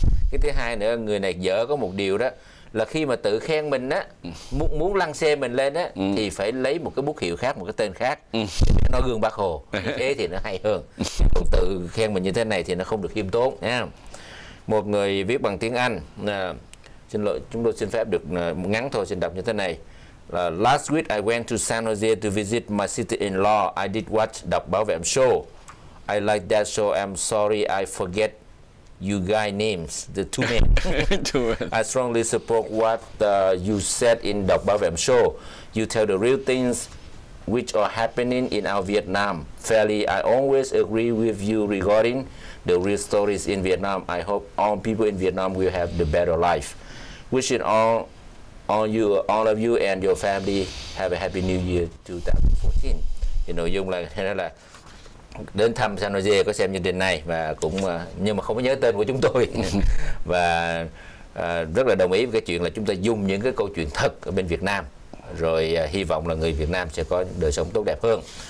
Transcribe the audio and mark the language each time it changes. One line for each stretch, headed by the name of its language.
Vietnamese: Cái thứ hai nữa, người này dở có một điều đó là khi mà tự khen mình á, muốn lăng xê mình lên á, thì phải lấy một cái bút hiệu khác, một cái tên khác, nói gương Bác Hồ, thế thì nó hay hơn. Còn tự khen mình như thế này thì nó không được khiêm tốn nha. Một người viết bằng tiếng Anh, xin lỗi, chúng tôi xin phép được ngắn thôi, xin đọc như thế này là:
English: Last week I went to San Jose to visit my sister-in-law. I did watch đọc báo về show. I like that show. I'm sorry I forget you guy names, the two men. I strongly support what you said in Đọc Báo Vệ Show. You tell the real things which are happening in our Vietnam fairly. I always agree with you regarding the real stories in Vietnam. I hope all people in Vietnam will have the better life. Wishing all of you and your family have a happy new year 2014. You know,
Vietnamese: dùng là đến thăm San Jose có xem chương trình này và cũng nhưng mà không có nhớ tên của chúng tôi. Và rất là đồng ý với cái chuyện là chúng ta dùng những cái câu chuyện thật ở bên Việt Nam, rồi hy vọng là người Việt Nam sẽ có đời sống tốt đẹp hơn.